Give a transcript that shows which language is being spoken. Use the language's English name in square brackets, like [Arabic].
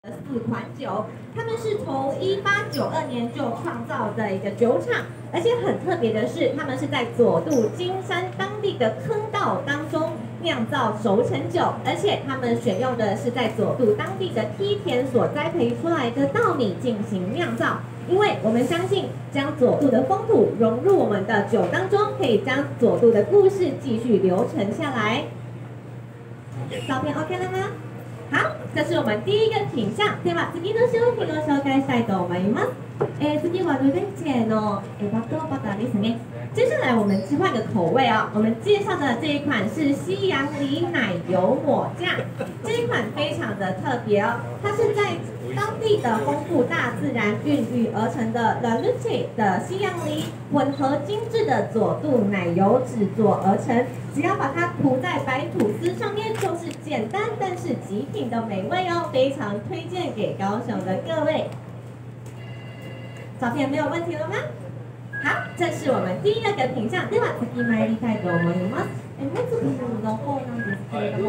[Chinese] 子款酒，他们是从1892年就创造的一个酒厂，而且很特别的是，他们是在佐渡金山当地的坑道当中酿造熟成酒，而且他们选用的是在佐渡当地的梯田所栽培出来的稻米进行酿造。因为我们相信，将佐渡的风土融入我们的酒当中，可以将佐渡的故事继续流传下来。照片 OK 了吗？好，这是我们第一个品项，对吧？ [Japanese] 次の商品を紹介したいと思います。次はルベチェのバターバターですね。 [Chinese] 接下来我们切换个口味哦，我们介绍的这一款是西洋梨奶油抹酱，这一款非常的特别哦，它是在当地的丰富大自然孕育而成的 La Luce 的西洋梨，混合精致的佐渡奶油制作而成，只要把它涂在白吐司上面，就是简单但是极品的美味哦，非常推荐给高雄的各位。照片没有问题了吗？好，这是我们第一个品项，对吧？ [Japanese] 次に参りたいと思います。まず品項の方なんですけれども、